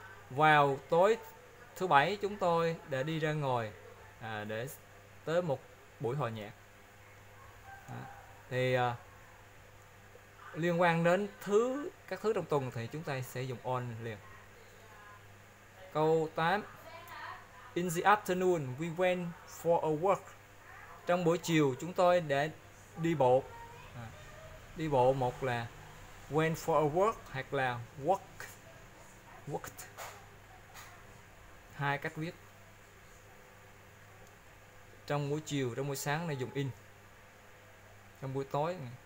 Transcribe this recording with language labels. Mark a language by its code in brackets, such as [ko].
[vi] Vào tối thứ bảy chúng tôi đã đi ra ngoài để tới một buổi hòa nhạc. Thì liên quan đến các thứ trong tuần thì chúng ta sẽ dùng on liền. Câu 8. [en] In the afternoon, we went for a walk. [vi] Trong buổi chiều, chúng tôi đã đi bộ. Đi bộ một là [en] went for a walk [vi] hoặc là walked. Hai cách viết. Trong buổi chiều, trong buổi sáng này dùng in. Trong buổi tối.